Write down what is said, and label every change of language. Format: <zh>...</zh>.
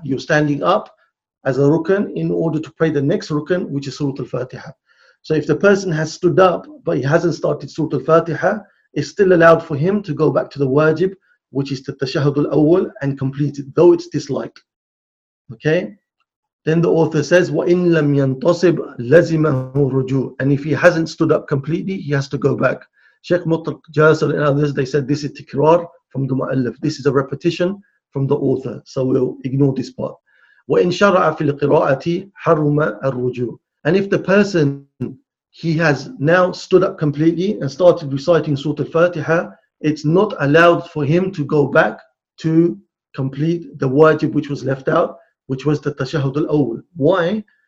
<en>You're standing up as a rukun in order to pray the next rukun, which is Surah Al-Fatiha. So if the person has stood up, but he hasn't started Surah Al-Fatiha, it's still allowed for him to go back to the wajib, which is the tashahud al-awwal, and complete it, though it's disliked. Okay? Then the author says,</en> <ar>وَإِن لَمْ يَنْتَصِبْ لَزِمَهُ رُجُوعُ.</ar> <en>And if he hasn't stood up completely, he has to go back. Sheikh Mutlaq Jasir and others, they said this is tikrar from the mu'allif. This is a repetition from the author. So we'll ignore this part.</en> <ar>وَإِن شَرَعَ فِي الْقِرَاءَةِ حَرُمَ الرُّجُوعُ.</ar> <en>And if the person, he has now stood up completely and started reciting Surah Al-Fatiha, it's not allowed for him to go back to complete the wajib which was left out, which was the tashahud al-awwal. Why?</en>